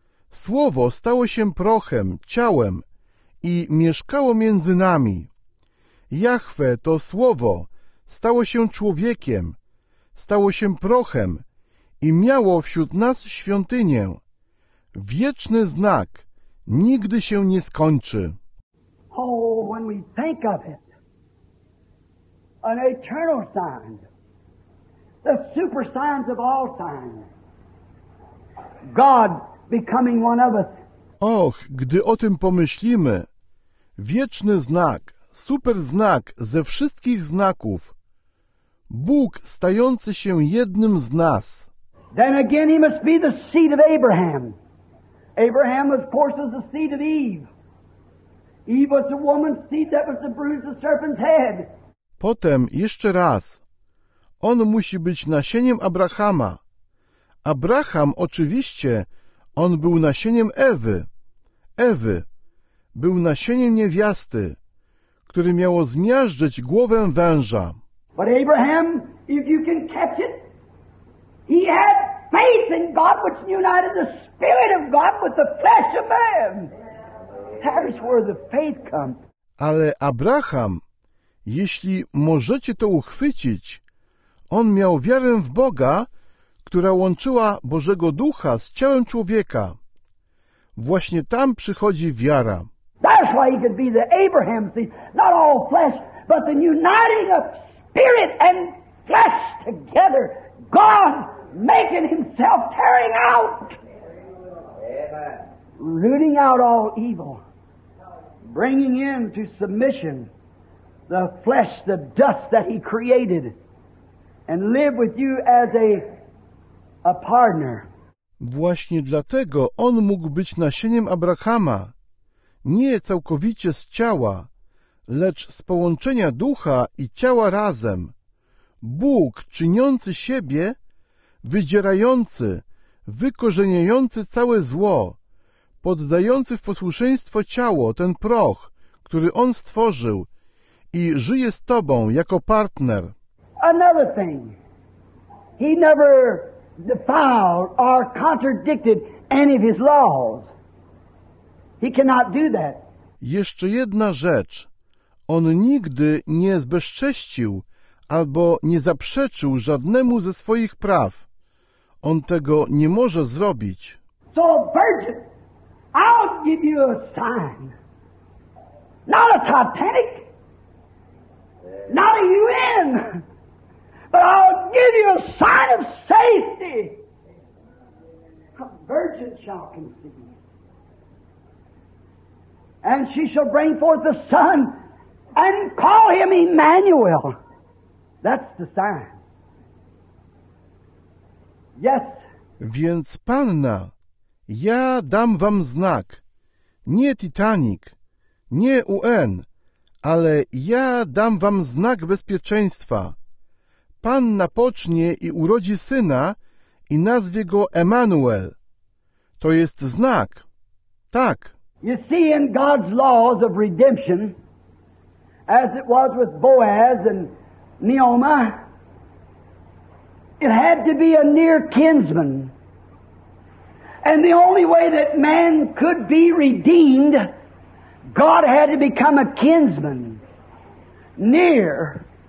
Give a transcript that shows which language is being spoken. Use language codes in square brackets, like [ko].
[pl] Słowo stało się prochem, ciałem i mieszkało między nami. Jahwe, to Słowo, stało się człowiekiem, stało się prochem i miało wśród nas świątynię. Wieczny znak nigdy się nie skończy. [en] Oh, when we think of it, an eternal sign, the super signs of all signs, God becoming one of us. [pl] Och, gdy o tym pomyślimy, wieczny znak, super znak ze wszystkich znaków, Bóg stający się jednym z nas. [en] Then again he must be the seed of Abraham. Abraham, of course, was the seed of Eve. Eve was the woman's seed that was the bruised the serpent's head. [pl] Potem jeszcze raz, on musi być nasieniem Abrahama. Abraham, oczywiście, on był nasieniem Ewy. Ewy był nasieniem niewiasty, który miało zmiażdżyć głowę węża. [en] But Abraham, if you can catch it, he had faith in God which united the Spirit of God with the flesh of man. That is where the faith comes. [pl] Ale Abraham, jeśli możecie to uchwycić, on miał wiarę w Boga, która łączyła Bożego Ducha z ciałem człowieka. Właśnie tam przychodzi wiara. [en] That's why he could be the Abraham seed, not all flesh, but the uniting of spirit and flesh together. God making himself tearing out. Amen. Rooting out all evil. Bringing into submission the flesh, the dust that he created. And live with you as a partner. [pl] Właśnie dlatego on mógł być nasieniem Abrahama, nie całkowicie z ciała, lecz z połączenia ducha i ciała razem. Bóg czyniący siebie, wydzierający, wykorzeniający całe zło, poddający w posłuszeństwo ciało, ten proch, który on stworzył i żyje z tobą jako partner. [en] Another thing. He never defiled or contradicted any of his laws. He cannot do that. [pl] Jeszcze jedna rzecz. On nigdy nie zbezcześcił albo nie zaprzeczył żadnemu ze swoich praw. On tego nie może zrobić. [en] So, virgin, I'll give you a sign. Not a Titanic. Not a UN. But I'll give you a sign of safety. A virgin shall conceive. And she shall bring forth a son and call him Emmanuel. That's the sign. Yes. [pl] Więc panna, ja dam wam znak. Nie Titanic, nie UN, ale ja dam wam znak bezpieczeństwa. Panna pocznie i urodzi syna i nazwie go Emmanuel. To jest znak. Tak. [en] You see, in God's laws of redemption, as it was with Boaz and Naomi, it had to be a near kinsman. And the only way that man could be redeemed, God had to become a kinsman. Near.